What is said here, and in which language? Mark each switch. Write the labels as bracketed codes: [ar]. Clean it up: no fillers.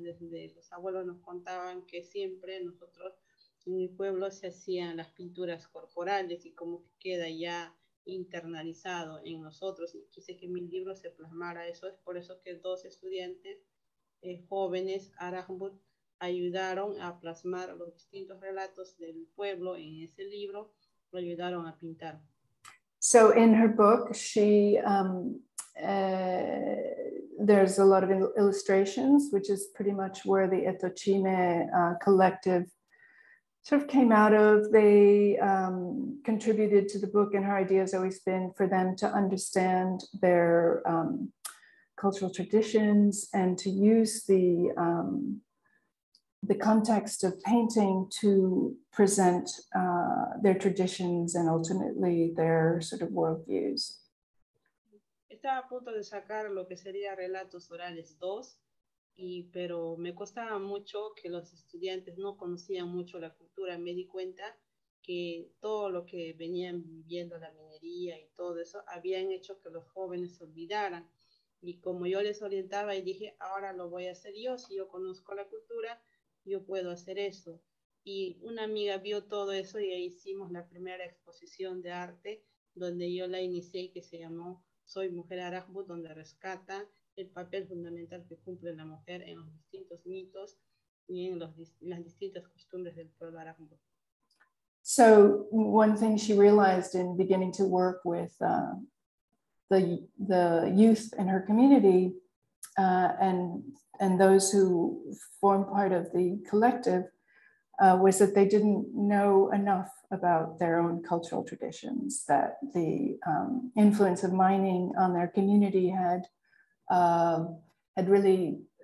[es] Desde los abuelos nos contaban que siempre nosotros en el pueblo se hacían las pinturas corporales y como que queda ya internalizado en nosotros, y quise que mi libro se plasmara eso. Es por eso que dos estudiantes jóvenes Arajmut ayudaron a plasmar los distintos relatos del pueblo en ese libro, lo ayudaron a pintar. [en] So in her book, she there's a lot of illustrations, which is pretty much where the Etochime collective sort of came out of. They contributed to the book, and her idea has always been for them to understand their cultural traditions and to use the context of painting to present their traditions and ultimately their sort of worldviews. [es] Estaba a punto de sacar lo que sería relatos orales 2, pero me costaba mucho que los estudiantes no conocían mucho la cultura. Me di cuenta que todo lo que venían viviendo, la minería y todo eso, habían hecho que los jóvenes olvidaran. Y como yo les orientaba y dije, ahora lo voy a hacer yo, si yo conozco la cultura, yo puedo hacer eso. Y una amiga vio todo eso y ahí hicimos la primera exposición de arte donde yo la inicié, que se llamó Soy Mujer Arajmut, donde rescata el papel fundamental que cumple la mujer en los distintos mitos y en las distintas costumbres del pueblo Arajmut. [en] So one thing she realized in beginning to work with the youth in her community and those who form part of the collective was that they didn't know enough about their own cultural traditions, that the influence of mining on their community had really